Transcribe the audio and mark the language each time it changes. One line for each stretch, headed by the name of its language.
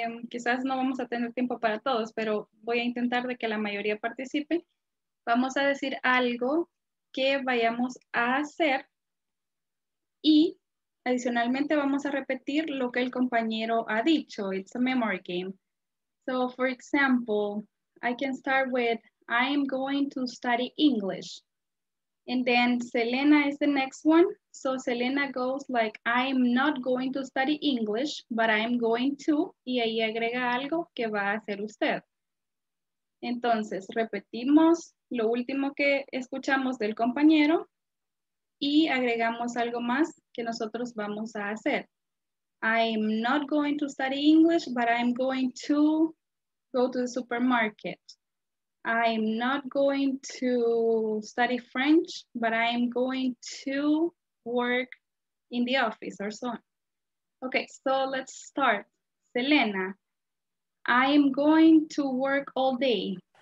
Spanish: Quizás no vamos a tener tiempo para todos, pero voy a intentar de que la mayoría participe. Vamos a decir algo que vayamos a hacer y adicionalmente vamos a repetir lo que el compañero ha dicho.
English: It's a memory game. So, for example, I can start with, I'm going to study English. And then Selena is the next one. So Selena goes like, I'm not going to study English, but I'm going to,
Spanish: y ahí agrega algo que va a hacer usted. Entonces, repetimos lo último que escuchamos del compañero y agregamos algo más que nosotros vamos a hacer.
English: I'm not going to study English, but I'm going to go to the supermarket. I'm not going to study French, but I'm going to work in the office or so on. Okay, so let's start. Selena, I'm going to work all day.